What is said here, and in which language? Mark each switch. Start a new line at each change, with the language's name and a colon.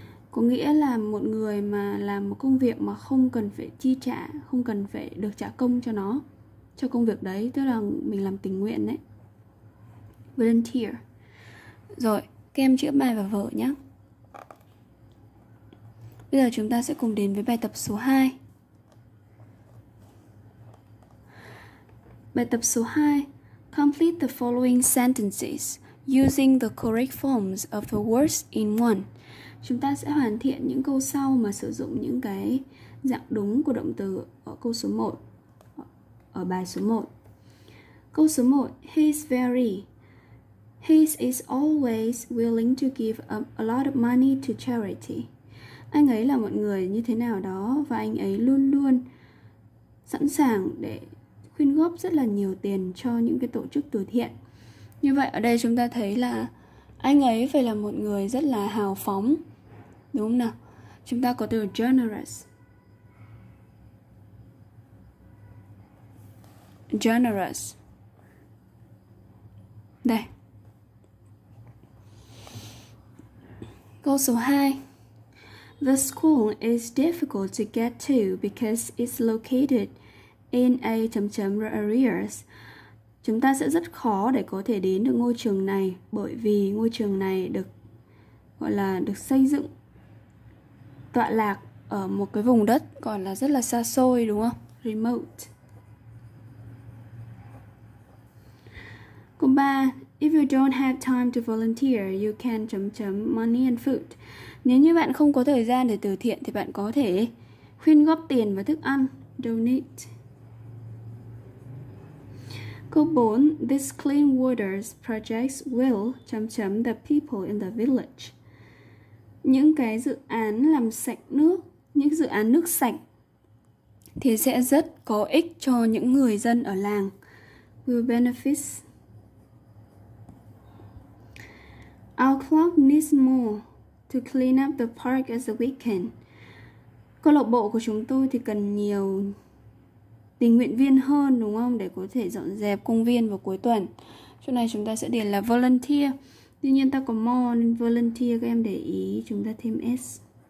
Vietnamese: Có nghĩa là một người mà làm một công việc mà không cần phải chi trả, không cần phải được trả công cho nó, cho công việc đấy, tức là mình làm tình nguyện đấy. Volunteer. Rồi, các em chữa bài và vở nhé. Bây giờ chúng ta sẽ cùng đến với bài tập số 2. Bài tập số 2.
English: Complete the following sentences using the correct forms of the words in one.
Vietnamese: Chúng ta sẽ hoàn thiện những câu sau mà sử dụng những cái dạng đúng của động từ ở câu số 1, ở bài số 1.
English: Câu số 1, he's very. He's is always willing to give a lot of money to charity.
Vietnamese: Anh ấy là một người như thế nào đó và anh ấy luôn luôn sẵn sàng để quyên góp rất là nhiều tiền cho những cái tổ chức từ thiện. Như vậy ở đây chúng ta thấy là anh ấy phải là một người rất là hào phóng, đúng không nào? Chúng ta có từ generous.
English: Generous.
Vietnamese: Đây. Câu số 2.
English: The school is difficult to get to because it's located in a... areas.
Vietnamese: Chúng ta sẽ rất khó để có thể đến được ngôi trường này bởi vì ngôi trường này được gọi là được xây dựng tọa lạc ở một cái vùng đất gọi là rất là xa xôi, đúng không?
English: Remote.
Vietnamese: Câu 3.
English: If you don't have time to volunteer, you can... money and food.
Vietnamese: Nếu như bạn không có thời gian để từ thiện thì bạn có thể quyên góp tiền và thức ăn.
English: Donate. Câu 4. This clean water project will... the people in the village.
Vietnamese: Những cái dự án làm sạch nước, những dự án nước sạch thì sẽ rất có ích cho những người dân ở làng.
English: Will benefit. Our club needs more to clean up the park as a weekend.
Vietnamese: Câu lạc bộ của chúng tôi thì cần nhiều tình nguyện viên hơn, đúng không? Để có thể dọn dẹp công viên vào cuối tuần. Chỗ này chúng ta sẽ điền là volunteer. Tuy nhiên ta có more nên volunteer, các em để ý chúng ta thêm S.